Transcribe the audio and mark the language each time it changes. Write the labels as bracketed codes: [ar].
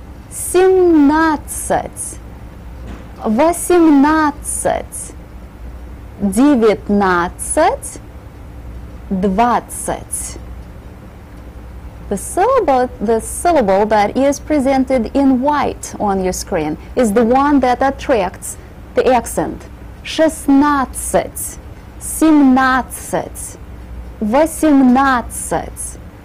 [ru] Семнадцать, восемнадцать. Девятнадцать, двадцать. [en] The syllable that is presented in white on your screen is the one that attracts the accent. [ru] Шестнадцать, семнадцать, восемнадцать,